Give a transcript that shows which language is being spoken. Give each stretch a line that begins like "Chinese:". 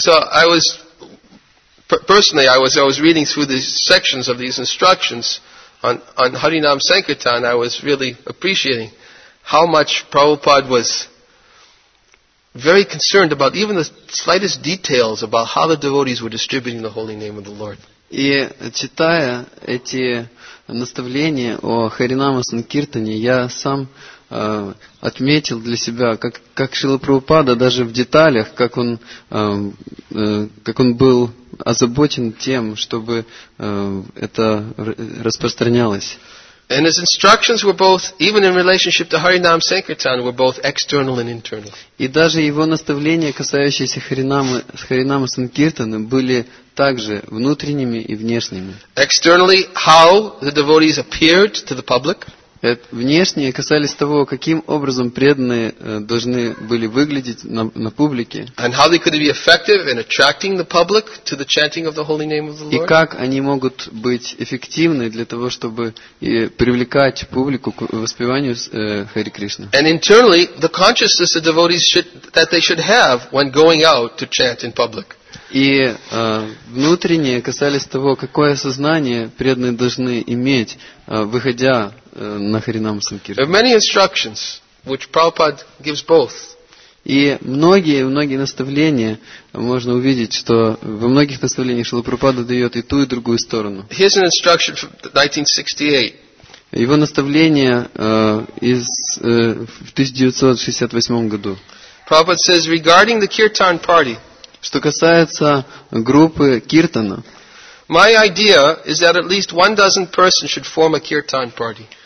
English: So I was personally, I was reading through these sections of these instructions on Harinam Sankirtan. I was really appreciating how much Prabhupada was very concerned about even the slightest details about how the devotees were distributing the holy name of the Lord.
Russian: И читая эти наставления о Харинама Санкиртане, я сам отметил для себя, как Шрила Прабхупада даже в деталях, как он был озабочен тем, чтобы это распространялось.
English: And his instructions were both, even in relationship to Harinam Sankirtan, were both external and internal.
Russian: И даже его наставления, касающиеся Харинама Санкиртаны, были также внутренними и внешними.
English: Externally, how the devotees appeared to the public.
Russian: Внешние касались того, каким образом преданные должны были выглядеть на публике.
English: And how they could be effective in attracting the public to the chanting of the holy name of the Lord.
Russian: И как они могут быть эффективны для того, чтобы привлекать публику к воспеванию Хари Кришны.
English: And internally, the consciousness the devotees should, that they should have when going out to chant in public.
Russian: И внутренние касались того, какое сознание преданные должны иметь, выходя на Харинаму Санкиртану.
English: There are many instructions which Prabhupada gives both.
Russian: И многие наставления можно увидеть, что во многих наставлениях Шрила Прабхупада дает и ту, и другую сторону.
English: Here's an instruction from 1968.
Russian: Его наставление в 1968 году.
English: Prabhupada says regarding the Kirtan party.
Russian: Что касается группы киртана.
English: My idea is that at least one dozen persons should form a kirtan party.